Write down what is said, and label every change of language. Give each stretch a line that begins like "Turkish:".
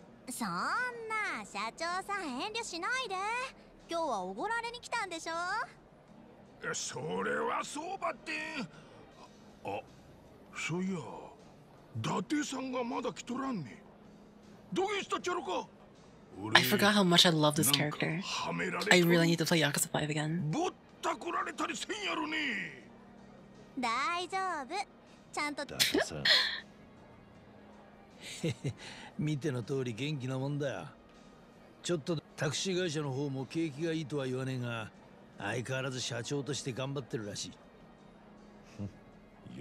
Japanese: そんな社長さん遠慮しないで。今日はおごられに来たんでしょ。それはそうばってん。あ、そういや、伊達さんがまだ来とらんね。どげしたちゃろか。
English: I forgot how much I love this character. I really need to play Yakuza 5 again.
Japanese: ぼったくられたりせんやろね。大丈夫。ちゃんと。伊達さん。見ての通り元気なもんだ。ちょっとタクシー会社の方も景気がいいとは言わねえが、相変わらず社長として頑張ってるらしい。